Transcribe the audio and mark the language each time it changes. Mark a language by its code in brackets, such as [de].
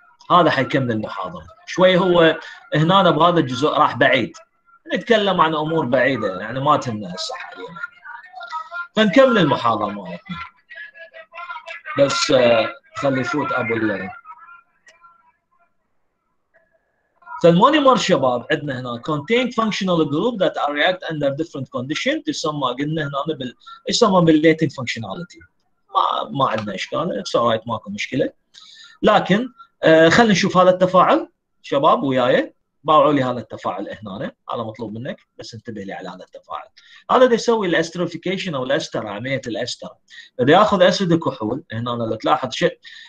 [ar] هذا حيكمل المحاضره شوي هو هنا بهذا الجزء راح بعيد نتكلم عن امور بعيده يعني ما تهمنا هسه حاليا فنكمل المحاضره مالتنا بس خلي يفوت ابو الليل فالمونيمر شباب عندنا هنا [en] contain functional group that are react under different condition [ar] تسمى قلنا هنا بال يسمى [en] بالlatent functionality. [ar] ما عندنا إشكال [en] it's alright [ar] ماكو مشكلة. لكن خلنا نشوف هذا التفاعل شباب وياي باعوا لي هذا التفاعل هنا على مطلوب منك بس انتبه لي على هذا التفاعل. هذا دي يسوي الاسترفيكيشن او الاستر عملية الاستر بدي اخذ اسيد الكحول هنا لو تلاحظ شيء.